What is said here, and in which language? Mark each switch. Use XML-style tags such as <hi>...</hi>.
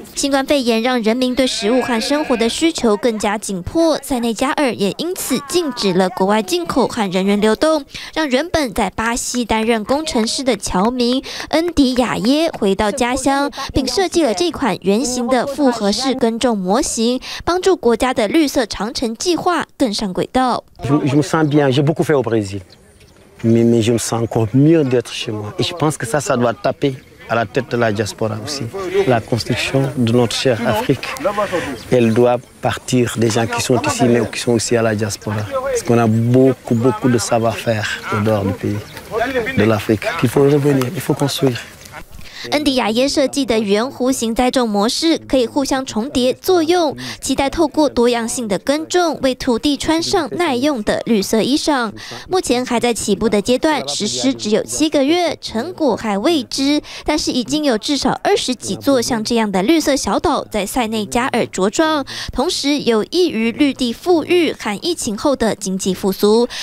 <zh>新冠肺炎让人民对食物和生活的需求更加紧迫，塞内加尔也因此禁止了国外进口和人员流动，让原本在巴西担任工程师的侨民恩迪亚耶回到家乡，并设计了这款圆形的复合式耕种模型，帮助国家的绿色长城计划更上轨道。</zh> <fr>Je me sens bien, j'ai beaucoup fait au Brésil, mais je me sens encore mieux d'être chez moi. Et je pense que ça doit taper. À la tête de la diaspora aussi. La construction de notre chère Afrique, elle doit partir des gens qui sont ici, mais qui sont aussi à la diaspora. Parce qu'on a beaucoup, beaucoup de savoir-faire en dehors du pays, de l'Afrique, qu'il faut revenir, il faut construire.</fr> <zh>恩迪亚耶设计的圆弧形栽种模式可以互相重叠作用，期待透过多样性的耕种为土地穿上耐用的绿色衣裳。目前还在起步的阶段，实施只有七个月，成果还未知，但是已经有至少二十几座像这样的绿色小岛在塞内加尔茁壮，同时有益于绿地富裕和疫情后的经济复苏。</zh>